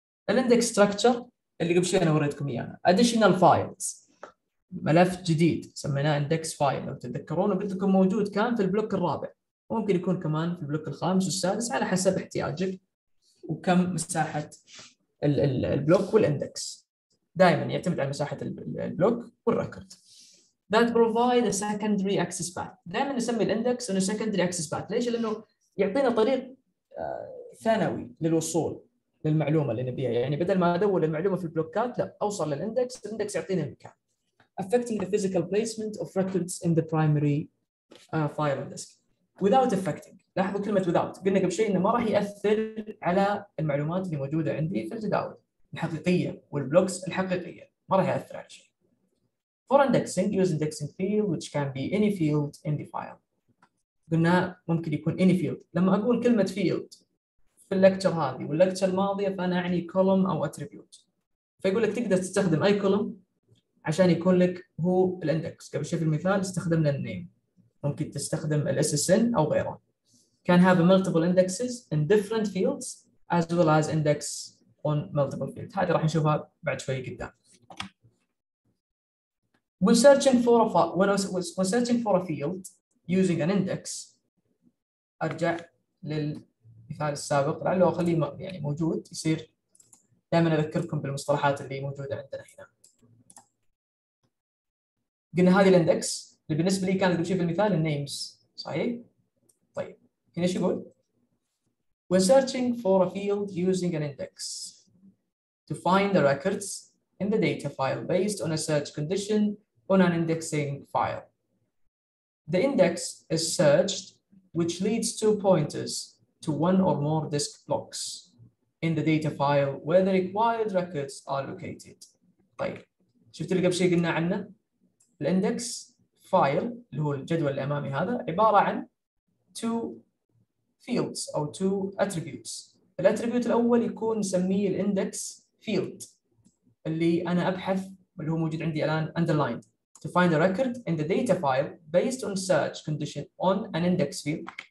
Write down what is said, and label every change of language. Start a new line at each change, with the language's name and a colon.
Arabic: الاندكس ستراكشر اللي قبل شوي انا وريتكم اياها، اديشنال فايلز، ملف جديد سميناه اندكس فايل لو تتذكرون، وقلت لكم موجود كان في البلوك الرابع، ممكن يكون كمان في البلوك الخامس والسادس على حسب احتياجك وكم مساحه البلوك والاندكس. دائما يعتمد على مساحه البلوك والريكورد.
English: That provide a secondary access path.
Arabic: دائما نسمي الاندكس انه secondary access path. ليش؟ لانه يعطينا طريق ثانوي للوصول للمعلومه اللي نبيها، يعني بدل ما ادور المعلومه في البلوكات لا اوصل للاندكس، الاندكس يعطيني المكان.
English: Affecting the physical placement of records in the primary file on disk.
Arabic: Without affecting، لاحظوا كلمة without، قلنا قبل شيء انه ما راح يأثر على المعلومات اللي موجودة عندي في الجداول الحقيقية والبلوكس الحقيقية، ما راح يأثر على شيء.
English: For indexing, use indexing field which can be any field in the file.
Arabic: قلنا ممكن يكون any field. لما أقول كلمة field في اللكتشر هذه واللكتشر الماضية فأنا أعني column أو attribute. فيقول لك تقدر تستخدم أي column عشان يكون لك هو الاندكس. قبل شوي في المثال استخدمنا النيم، ممكن تستخدم الاس اس ان او غيره.
English: Can have multiple indexes in different fields as well as index on multiple fields.
Arabic: هذه راح نشوفها بعد شوي قدام.
English: When searching for a field using an index،
Arabic: ارجع للمثال السابق لعله اخليه يعني موجود، يصير دائما اذكركم بالمصطلحات اللي موجوده عندنا هنا. قلنا هذه الاندكس اللي بالنسبه لي كانت في المثال النيمز، صحيح؟ طيب هنا ايش يقول؟
English: When searching for a field using an index to find the records in the data file based on a search condition on an indexing file. The index is searched which leads two pointers to one or more disk blocks in the data file where the required records are located.
Arabic: طيب شفت اللي قبل شيء قلنا عنه؟ الاندكس فايل اللي هو الجدول اللي امامي هذا عباره عن two fields او two attributes. الاتريبيوت الاول يكون نسميه الاندكس فيلد اللي انا ابحث اللي هو موجود عندي الان
English: underlined to find a record in the data file based on search condition on an index field.